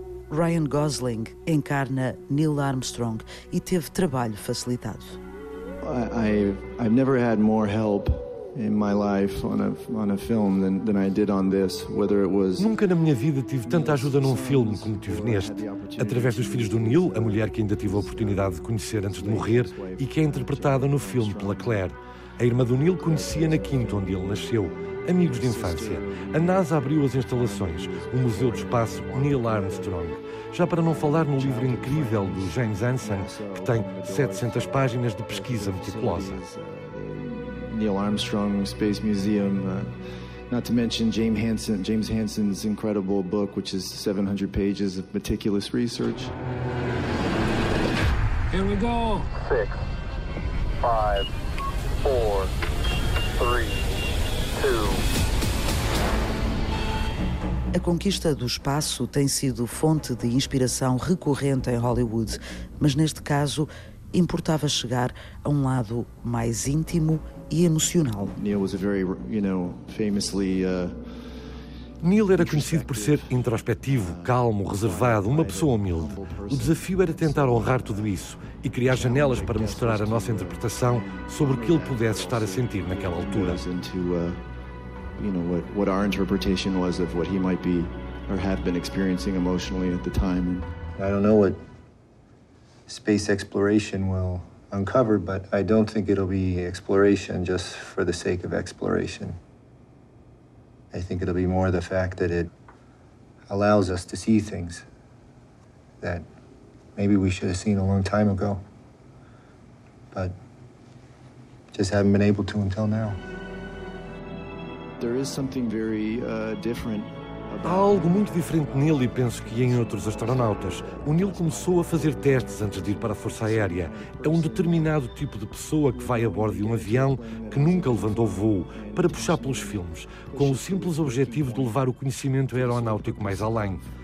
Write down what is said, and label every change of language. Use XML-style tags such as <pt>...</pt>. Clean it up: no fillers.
<pt>Ryan Gosling encarna Neil Armstrong e teve trabalho facilitado.</pt> <en>I've never had more help in my life on a film than I did on this, whether it was...</en> <pt>Nunca na minha vida tive tanta ajuda num filme como tive neste. Através dos filhos do Neil, a mulher que ainda tive a oportunidade de conhecer antes de morrer e que é interpretada no filme pela Claire. A irmã do Neil conhecia na Quinta, onde ele nasceu. Amigos de infância. A NASA abriu as instalações, o Museu do Espaço Neil Armstrong. Já para não falar no livro incrível do James Anson, que tem 700 páginas de pesquisa meticulosa.</pt> <en>Neil Armstrong Space Museum, not to mention James Hansen's incredible book, which is 700 pages of meticulous research. Here we go. 6, 5, 4, 3, 2.</en> <pt>A conquista do espaço tem sido fonte de inspiração recorrente em Hollywood, mas neste caso importava chegar a um lado mais íntimo e emocional.</pt> <en>Neil was a very, you know, famously,</en> <pt>Neil era conhecido por ser introspectivo, calmo, reservado, uma pessoa humilde. O desafio era tentar honrar tudo isso e criar janelas para mostrar a nossa interpretação sobre o que ele pudesse estar a sentir naquela altura.</pt> <en>You know, what our interpretation was of what he might be or have been experiencing emotionally at the time. I don't know what space exploration will uncover, but I don't think it'll be exploration just for the sake of exploration. I think it'll be more the fact that it allows us to see things that maybe we should have seen a long time ago, but just haven't been able to until now. There is something very different</en> <pt>Há algo muito diferente nele e penso que em outros astronautas. O Neil começou a fazer testes antes de ir para a Força Aérea. É um determinado tipo de pessoa que vai a bordo de um avião que nunca levantou voo para puxar pelos filmes, com o simples objetivo de levar o conhecimento aeronáutico mais além.</pt>